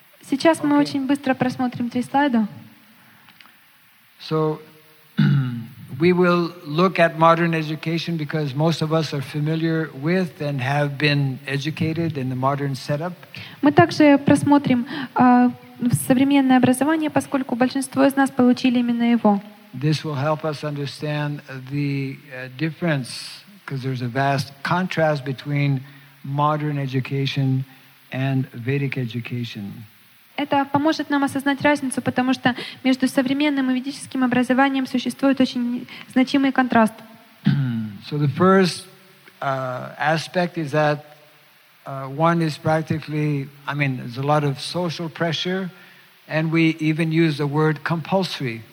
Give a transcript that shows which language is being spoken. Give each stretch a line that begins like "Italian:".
Russian: Сейчас okay. Мы очень быстро просмотрим 3 слайда.
English: So... We will look at modern education because most of us are familiar with and have been educated in the modern setup.
Russian: Мы также просмотрим современное образование, поскольку большинство из нас получили именно его.
English: This will help us understand the difference because there's a vast contrast between modern education and Vedic education.
Russian: Это поможет нам осознать разницу, потому что между современным и ведическим образованием существует очень значимый контраст.
English: So the first aspect is that one is practically, I mean, there's a lot of social pressure, and we even use the word compulsory.